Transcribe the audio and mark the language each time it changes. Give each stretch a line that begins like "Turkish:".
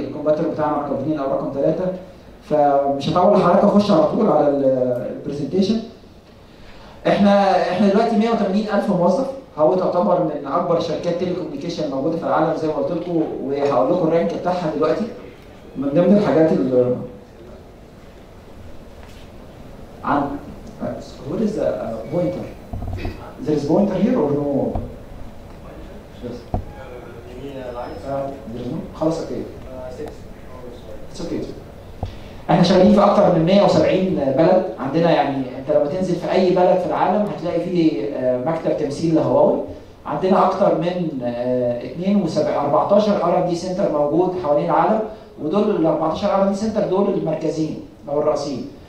Arabic: الكمبيوتر بتاعنا رقم 2 او رقم 3. فمش هطول حضرتك، اخش على طول على البرزنتيشن. احنا دلوقتي 180 الف موظف. هو تعتبر من اكبر شركات تيليكوميونيكيشن موجوده في العالم زي ما قلت لكم، وهقول لكم الرانك بتاعها دلوقتي.
English: من ضمن الحاجات اللي عن what is a pointer, there is pointer here or no, just يعني خلاص اوكي.
Arabic: احنا شغالين في اكتر من 170 بلد عندنا. يعني انت لما تنزل في اي بلد في العالم هتلاقي فيه مكتب تمثيل لهواوي. عندنا اكتر من 14 ار ان دي سنتر موجود حوالين العالم، ودول ال 14 ار ان دي سنتر دول المركزين او الرئيسيين.